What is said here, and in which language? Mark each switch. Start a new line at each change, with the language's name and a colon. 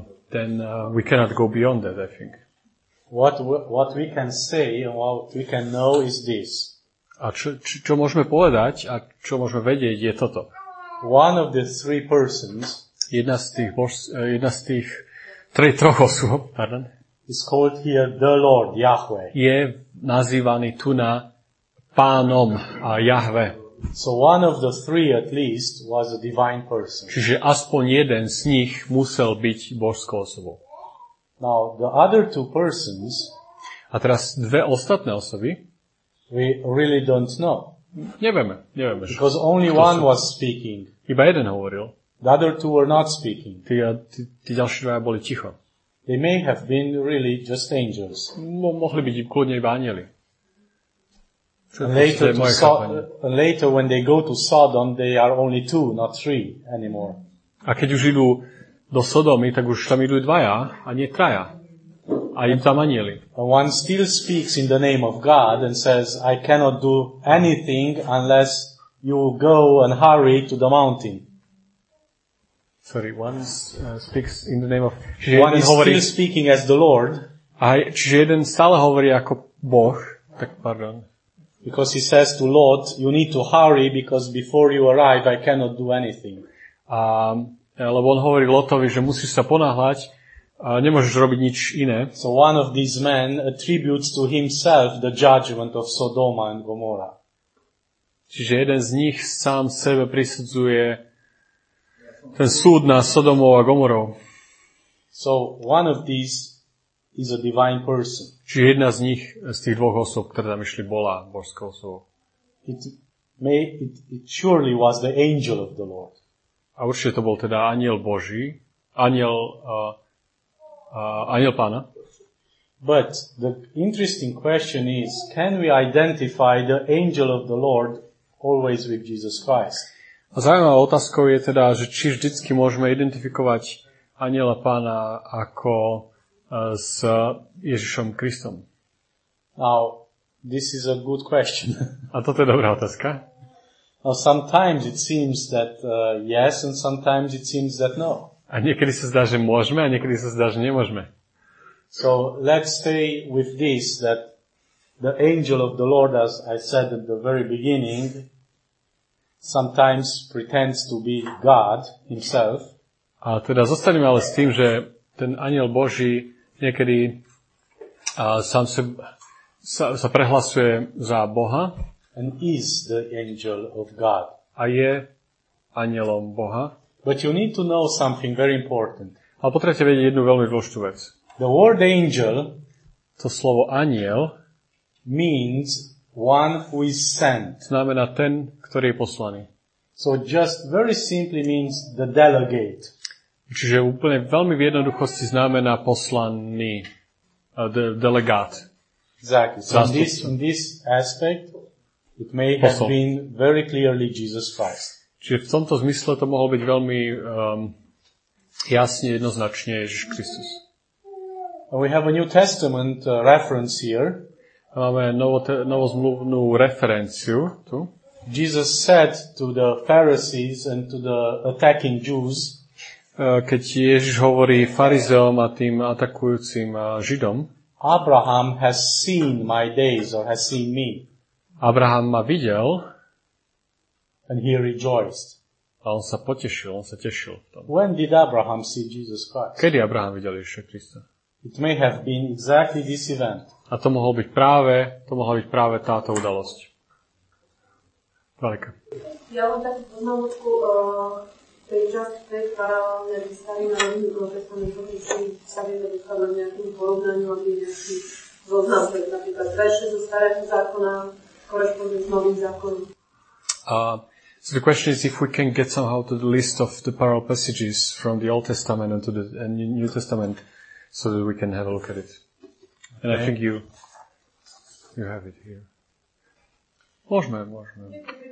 English: Then we cannot go beyond that, I think. What we can say, what we can know is this.
Slovak: A čo môžeme povedať a čo môžeme vedieť, je toto.
English: One of the three persons,
Slovak: jedna z tých troch osôb, pardon,
English: is called here the Lord, Yahweh.
Slovak: Je nazývaný tu na pánom a Jahve.
English: So one of the three at least was a divine person.
Slovak: Čiže aspoň jeden z nich musel byť božskou osobou.
English: Now the other two persons,
Slovak: a teraz dve ostatné osoby,
English: we really don't know.
Slovak: Nevieme.
English: Because only one was speaking.
Slovak: Iba jeden hovoril.
English: The other two were not speaking.
Slovak: Tí ďalší dvaja boli ticho.
English: They may have been really just angels.
Slovak: Mohli byť kľudne iba anjeli.
English: Later when they go to Sodom, they are only two, not three anymore.
Slovak: A keď už idú do Sodomy, tak už tam idú dvaja a nie traja. A im tam anjeli.
English: One still speaks in the name of God and says, I cannot do anything unless you go and hurry to the mountain. Sorry, one speaks in the name of... One is still speaking as the Lord.
Slovak: Čiže jeden stále hovorí ako Boh. Tak, pardon.
English: Because he says to Lot, you need to hurry because before you arrive I cannot do anything.
Slovak: Lebo on hovorí Lotovi, že musíš sa ponáhľať, nemôžeš robiť nič iné.
English: So one of these men attributes to himself the judgment of Sodoma and Gomorrah.
Slovak: Čiže jeden z nich sám sebe prisudzuje ten súd na Sodomov a Gomorov.
English: So one of these is a divine person.
Slovak: Či jedna z nich, z tých dvoch osob, ktoré tam išli, bola božskou osobou.
English: It surely was the angel of the Lord.
Slovak: A určite to bol teda anjel Boží, anjel pána.
English: But the interesting question is, can we identify the angel of the Lord always with Jesus Christ?
Slovak: A zaujímavá otázka je teda, že či vždycky môžeme identifikovať anjela pána ako s Ježišom Kristom.
English: Now, this is a good question.
Slovak: A toto je dobrá otázka.
English: Now, sometimes it seems that yes, and sometimes it seems that no.
Slovak: A niekedy sa zdá, že môžeme, a niekedy sa zdá, že nemôžeme.
English: So let's stay with this, that the angel of the Lord, as I said at the very beginning, sometimes pretends to be God himself.
Slovak: A teda zostaneme ale s tým, že ten anjel Boží niekedy sám sa prehlasuje za Boha.
English: And is the angel of God.
Slovak: A je anjelom Boha.
English: But you need to know something very important.
Slovak: Ale potrebujete vedieť jednu veľmi dôležitú vec.
English: The word angel,
Slovak: to slovo anjel,
English: means one who is sent.
Slovak: Znamená ten, ktorý je poslaný.
English: So just very simply means the delegate.
Slovak: Čiže úplne veľmi v jednoduchosti znamená poslaný, delegát.
English: Exactly. So in this aspect, it may
Slovak: posol.
English: Have been very clearly Jesus Christ.
Slovak: Čiže v tomto zmysle to mohol byť veľmi jasne, jednoznačne Ježiš Kristus.
English: We have a New Testament reference here.
Slovak: Máme novozmluvnú referenciu tu.
English: Jesus said to the Pharisees and to the attacking Jews,
Slovak: keď Ježiš hovorí farizeom a tým atakujúcim Židom,
English: Abraham has seen my days, or has seen me.
Slovak: Abraham ma videl,
English: and he rejoiced.
Slovak: A on sa potešil, on sa tešil.
English: When did Abraham see Jesus Christ?
Slovak: Kedy Abraham videl Ježiša Krista?
English: It may have been exactly this event.
Slovak: A to mohol byť práve, to mohla byť práve táto udalosť. Veľká. Ja mám takú poznámočku, tej časti tej paralelnej výstavy na rovnú profesionálnej pozícii sa vieme dostať na nejakým porovnaním, aby nejaký zoznam, tak napríklad prešli zo starého zákona, korešponduje s novým zákonom.
English: So the question is if we can get somehow to the list of the parallel passages from the Old Testament and to the New Testament so that we can have a look at it. Okay. And I think you have it here.
Slovak: Môžeme, môžeme.